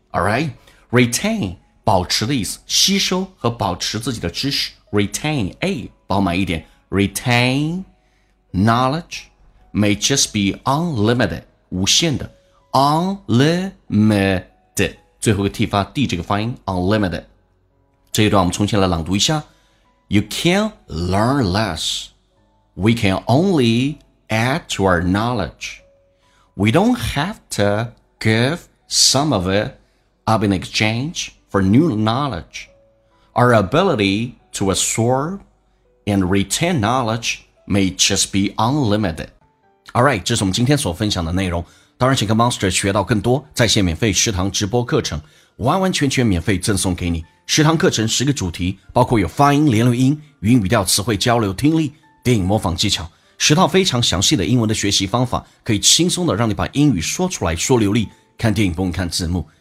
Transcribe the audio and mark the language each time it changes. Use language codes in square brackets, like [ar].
[zh] Alright， retain 保持的意思，吸收和保持自己的知识， retain A 饱满一点， [en] retain knowledge may just be unlimited [zh] 无限的， unlimited 最后一个 T 发 D 这个发音 unlimited。这一段我们重新来朗读一下 [en] You can't learn less. We can only add to our knowledge. We don't have to give some of it up in exchange for new knowledge. Our ability to absorb and retain knowledge may just be unlimited. [zh] Alright, 这是我们今天所分享的内容。当然请跟 Monster 学到更多在线免费食堂直播课程，完完全全免费赠送给你。食堂课程十个主题，包括有发音、连读音、语音语调、词汇交流、听力、电影模仿技巧，十套非常详细的英文的学习方法，可以轻松的让你把英语说出来说流利，看电影不用看字幕。